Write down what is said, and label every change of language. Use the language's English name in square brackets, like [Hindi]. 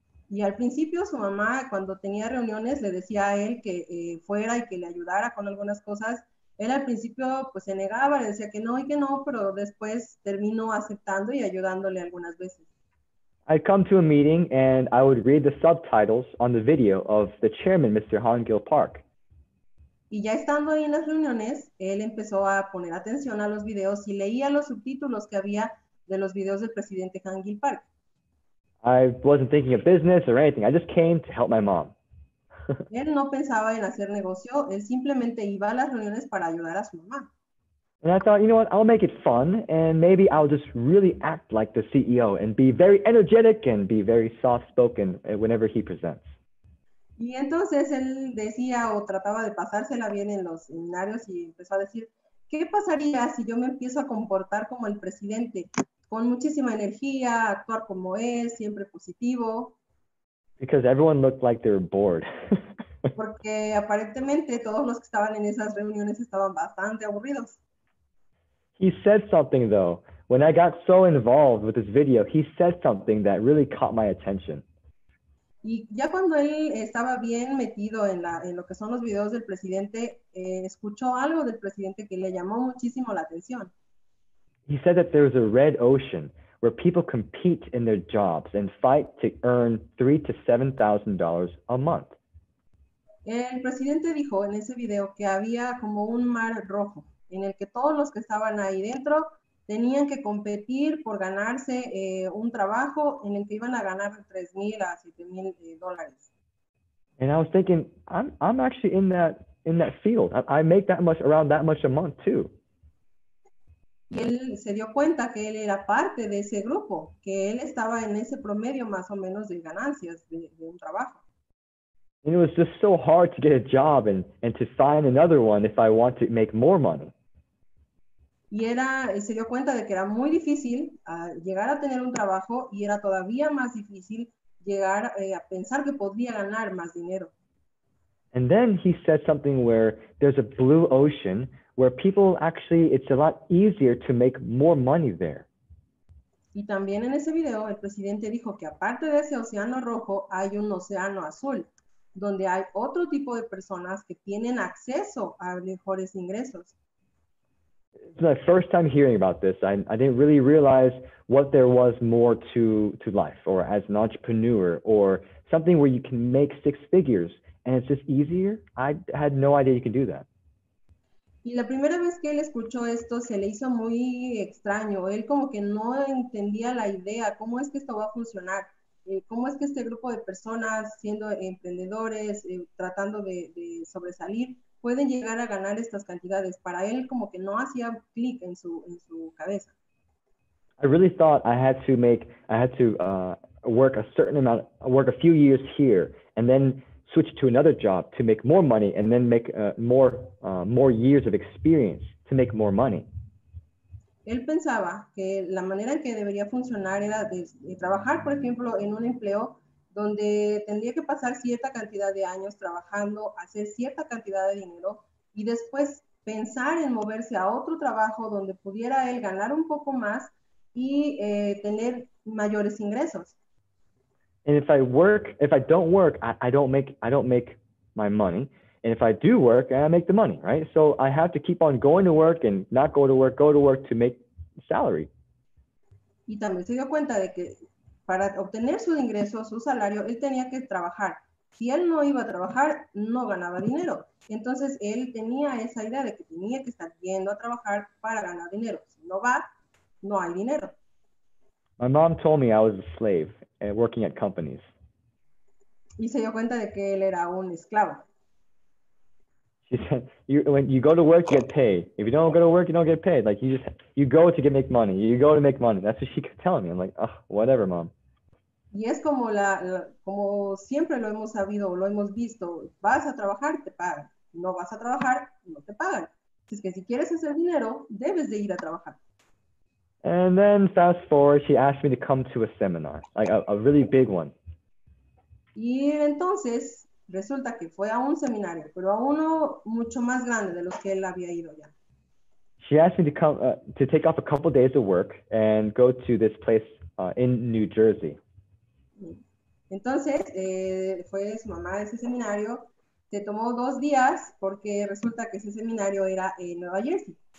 [Spanish] Y al principio, su mamá, cuando tenía reuniones, le decía a él que fuera y que le ayudara con algunas cosas. Él al principio, pues, se negaba, le decía que no y que no, pero después terminó aceptando y ayudándole algunas veces. [English] I'd come to a meeting and I would read the subtitles on the video of the chairman, Mr. Han Gil Park. [Spanish] Y ya estando ahí en las reuniones, él empezó a poner atención a los videos y leía los subtítulos que había de los videos del presidente Han Gil Park. [English] I wasn't thinking of business or anything. I just came to help my mom. [Spanish] Él no pensaba en hacer negocio. Él simplemente iba a las reuniones para ayudar a su mamá. [English] And I thought, you know what? I'll make it fun and maybe I'll just really act like the CEO and be very energetic and be very soft-spoken whenever he presents. [Spanish] Y entonces él decía o trataba de pasársela bien en los seminarios y empezó a decir, ¿qué pasaría si yo me empiezo a comportar como el presidente? Con muchísima energía, actuar como es, siempre positivo. [English] Because everyone looked like they were bored. [Spanish] Porque aparentemente todos los que estaban en esas reuniones estaban bastante aburridos. [English] He said something though. When I got so involved with this video, he said something that really caught my attention. [Spanish] Y ya cuando él estaba bien metido en lo que son los videos del presidente, escuchó algo del presidente que le llamó muchísimo la atención. [English] He said that there is a red ocean where people compete in their jobs and fight to earn $3,000 to $7,000 a month. [Spanish] El presidente dijo en ese video que había como un mar rojo en el que todos los que estaban ahí dentro tenían que competir por ganarse un trabajo en el que iban a ganar $3,000 to $7,000. [English] And I was thinking, I'm actually in that field. I make that much, around that much a month too. [Spanish] Y él se dio cuenta que él era parte de ese grupo, que él estaba en ese promedio más o menos de ganancias de un trabajo. [English] And it was just so hard to get a job and to find another one if I want to make more money. [Spanish] y era, se dio cuenta de que era muy difícil llegar a tener un trabajo y era todavía más difícil llegar a pensar que podría ganar más dinero. [English] And then he said something where there's a blue ocean where people actually, it's a lot easier to make more money there. [Spanish] Y también en ese video el presidente dijo que aparte de ese océano rojo hay un océano azul, donde hay otro tipo de personas que tienen acceso a mejores ingresos. [English] It's my first time hearing about this. I didn't really realize what there was more to life or as an entrepreneur or something where you can make six figures and it's just easier. I had no idea you could do that. [Spanish] Y la primera vez que él escuchó esto se le hizo muy extraño. Él como que no entendía la idea, cómo es que esto va a funcionar. ¿Cómo es que este grupo de personas siendo emprendedores, tratando de sobresalir, pueden llegar a ganar estas cantidades? Para él como que no hacía clic en su cabeza. [English] I really thought I had to work a few years here and then switch to another job to make more money and then make more years of experience to make more money. [Spanish] Él pensaba que la manera en que debería funcionar era de trabajar, por ejemplo, en un empleo donde tendría que pasar cierta cantidad de años trabajando, hacer cierta cantidad de dinero y después pensar en moverse a otro trabajo donde pudiera él ganar un poco más y tener mayores ingresos. [English] And if I work, if I don't work, I don't make my money. And if I do work, I make the money, right? So I have to keep on going to work and not go to work, go to work to make salary. [Spanish] Y también se dio cuenta de que para obtener su ingreso, su salario, él tenía que trabajar. Si él no iba a trabajar, no ganaba dinero. Entonces él tenía esa idea de que tenía que estar yendo a trabajar para ganar dinero. Si no va, no hay dinero. [English] My mom told me I was a slave working at companies. [Spanish] Y se dio cuenta de que él era un esclavo. [English] When you go to work, you get paid. If you don't go to work, you don't get paid. Like you go to get make money. You go to make money. That's what she kept telling me. I'm like, oh, whatever, mom. [Spanish] Y es como como siempre lo hemos sabido, lo hemos visto. Vas a trabajar, te pagan. No vas a trabajar, no te pagan. Es que si quieres hacer dinero, debes de ir a trabajar. [English] And then fast forward, she asked me to come to a seminar, like a really big one. [Spanish] Y entonces resulta que fue a un seminario, pero a uno mucho más grande de los que él había ido ya. [English] She asked me to come to take off a couple days of work and go to this place in New Jersey. [Spanish] Entonces fue su mamá a ese seminario, se tomó dos días porque resulta que ese seminario era en Nueva Jersey.